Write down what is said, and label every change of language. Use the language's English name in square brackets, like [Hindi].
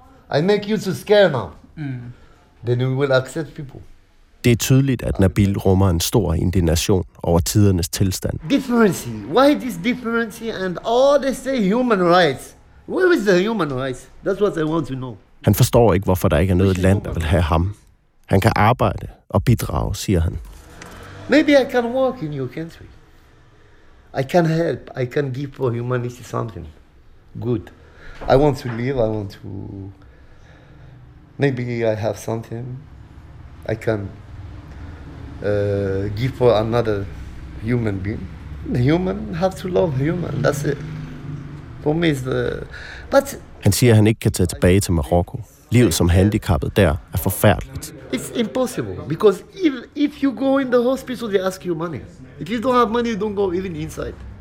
[English] I make you to scare now. Then we will accept people. [Danish] Det er tydeligt, at Nabil rummer en stor indignation over tidernes tilstand. [English] Difference. Why this difference and all they say human rights? Where is the human rights? That's what I want to know. [Danish] Han forstår ikke, hvorfor der ikke er noget land, der vil have ham. Han kan arbejde og bidrage, siger han. [English] Maybe I can work in your country. I can help. I can give for humanity something good. I want to live. I want to. Maybe I have something. I can give for another human being. The human have to love human. That's it. For me is the. But. [Danish] Han siger, at han ikke kan tage tilbage til Marokko. Livet som handicappet der er forfærdeligt. [English] It's impossible because if you go in the hospital, they ask you money. If you don't have money, you don't go even inside.